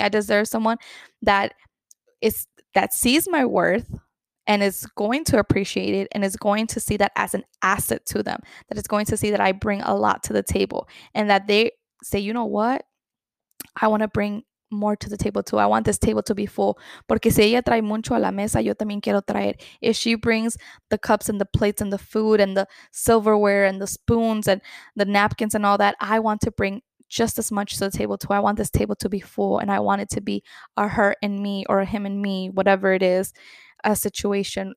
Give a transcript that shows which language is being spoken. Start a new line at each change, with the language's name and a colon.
English: I deserve someone that sees my worth and is going to appreciate it and is going to see that as an asset to them, that is going to see that I bring a lot to the table, and that they say, you know what? I want to bring more to the table too. I want this table to be full.
Spanish: Porque si ella trae mucho a la mesa, yo también quiero traer.
English: If she brings the cups and the plates and the food and the silverware and the spoons and the napkins and all that, I want to bring just as much to the table too. I want this table to be full, and I want it to be a her and me or a him and me, whatever it is, a situation.